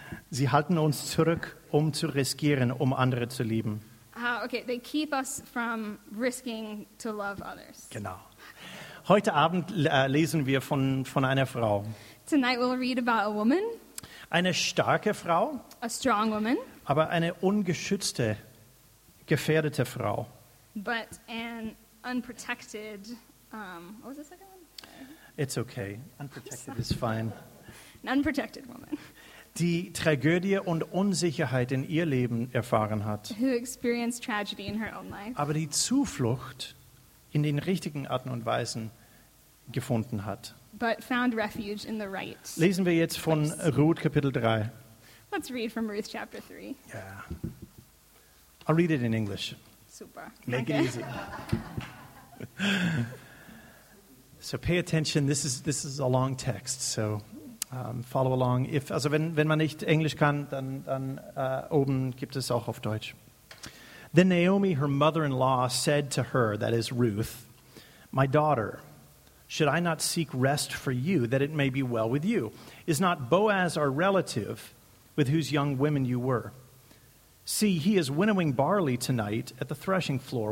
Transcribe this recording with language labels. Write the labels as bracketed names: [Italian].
[German] Sie halten uns zurück, um zu riskieren, um andere zu lieben. [English] Okay, they keep us from risking to love others. [German] Genau. Heute Abend lesen wir von einer Frau. [English] Tonight we'll read about a woman. [German] Eine starke Frau. [English] A strong woman. [German] Aber eine ungeschützte, gefährdete Frau. [English] But an unprotected, what was the second one? It's okay. Unprotected is fine. An unprotected woman. [German] Die Tragödie und Unsicherheit in ihr Leben erfahren hat. [English] Who experienced tragedy in her own life. [German] Aber die Zuflucht in den richtigen Arten und Weisen gefunden hat. [English] But found refuge in the right. [German] Lesen wir jetzt von Ruth Kapitel 3. [English] Let's read from Ruth chapter 3. Yeah. I'll read it in English. Super. Make it easy. So pay attention. This is a long text, so follow along. [German] Wenn man nicht Englisch kann, dann oben gibt es auch auf Deutsch. [English] Then Naomi, her mother-in-law, said to her, that is Ruth, "My daughter, should I not seek rest for you, that it may be well with you? Is not Boaz our relative, with whose young women you were? See, he is winnowing barley tonight at the threshing floor.